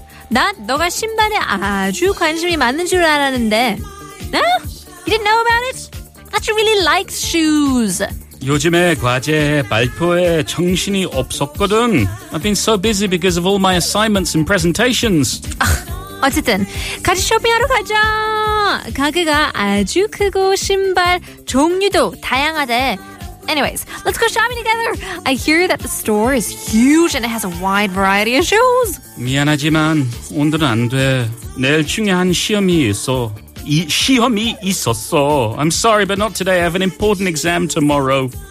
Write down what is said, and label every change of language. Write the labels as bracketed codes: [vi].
[ko] 난 너가 신발에 아주 관심이 많은 줄 알았는데. [en] No? You didn't know about it? That you really like shoes. [ko] 요즘에 과제 발표에 정신이 없었거든. [en] I've been so busy because of all my assignments and presentations. [ko] 어쨌든 같이 쇼핑하러 가자. 가게가 아주 크고 신발 종류도 다양하대. [en] Anyways, let's go shopping together. I hear that the store is huge and it has a wide variety of shoes. [ko] 미안하지만 오늘은 안 돼. 내일 중요한 시험이 있었어. [en] I'm sorry, but not today. I have an important exam tomorrow.